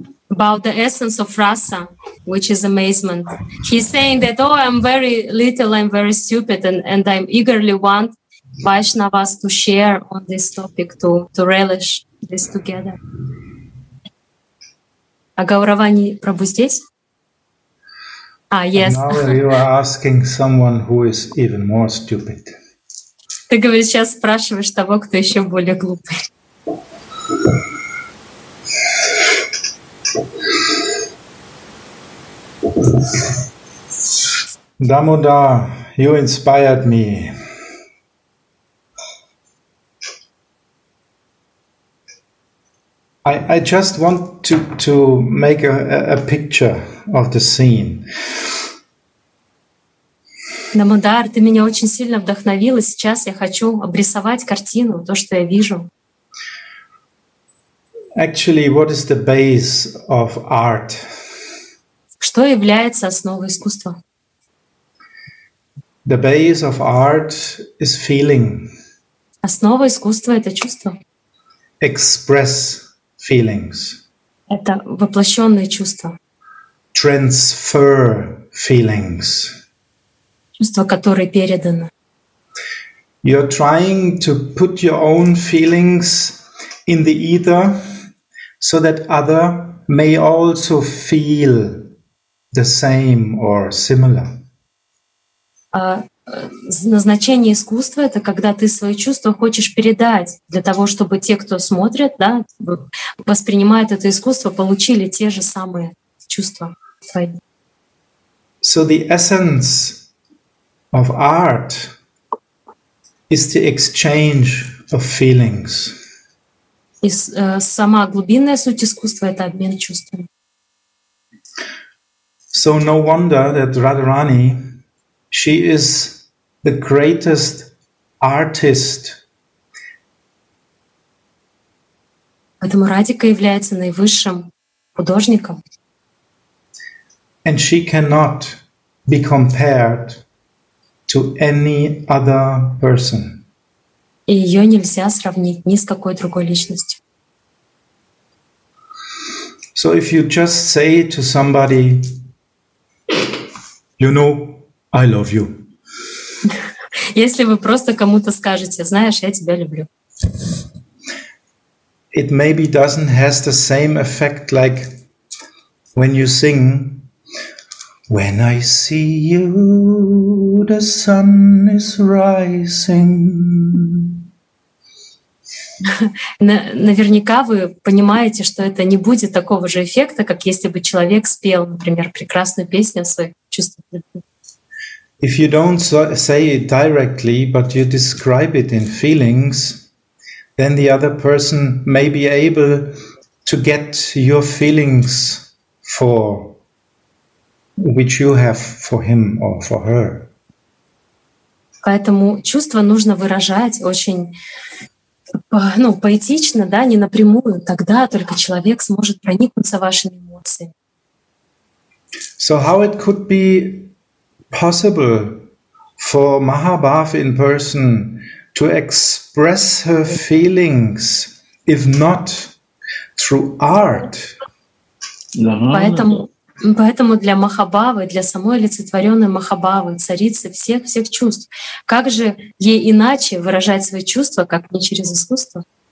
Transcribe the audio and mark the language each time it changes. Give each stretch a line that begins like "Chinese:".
English: About the essence of rasa, which is amazement. He's saying that, oh, I'm very little, I'm very stupid, and I eagerly want Vaishnavas to share on this topic, to relish this together.
Russian: А Гауравани Прабу здесь? А,
English: yes. Now you are asking someone who is even more stupid.
Russian: Ты говоришь, сейчас спрашиваешь того, кто еще более глупый.
English: Дамода, you inspired me. I just want to make a picture of the scene.
Russian: Дамодар, ты меня очень сильно вдохновил, и сейчас я хочу обрисовать картину, то, что я вижу.
English: Actually, what is the base of art?
Russian: Что является основой искусства?
English: The base of art is feeling.
Russian: Основа искусства — это чувство.
English: Express feelings.
Russian: Это воплощенные чувства.
English: Transfer feelings.
Russian: Чувства, которые переданы.
English: You're trying to put your own feelings in the ether so that other may also feel the same or similar.
Russian: Назначение искусства — это когда ты свои чувства хочешь передать для того, чтобы те, кто смотрит, да, воспринимают это искусство, получили те же самые чувства твои.
English: So the essence of art is the exchange of feelings.
Russian: И сама глубинная суть искусства — это обмен чувствами.
English: So no wonder that Radharani, she is the greatest artist.
Russian: Поэтому Радика является наивысшим художником.
English: And she cannot be compared to any other person.
Russian: И ее нельзя сравнить ни с какой другой личностью.
English: So if you just say to somebody, you know, I love you.
Russian: Если вы просто кому-то скажете, знаешь, я тебя люблю.
English: It maybe doesn't have the same effect like when you sing, when I see you, the sun is rising.
Russian: Наверняка вы понимаете, что это не будет такого же эффекта, как если бы человек спел, например, прекрасную песню о своих чувствах.
English: If you don't say it directly, but you describe it in feelings, then the other person may be able to get your feelings for which you have for him or for her.
Russian: Поэтому чувства нужно выражать очень, ну, поэтично, да, не напрямую. Тогда только человек сможет проникнуться вашими эмоциями.
English: So how it could be possible for Mahabharata in person to express her feelings, if not through art.
Russian: Поэтому для Махабавы, для самой олицетворённой Махабавы, царицы всех чувств, как же ей иначе выражать свои чувства, как не через искусство?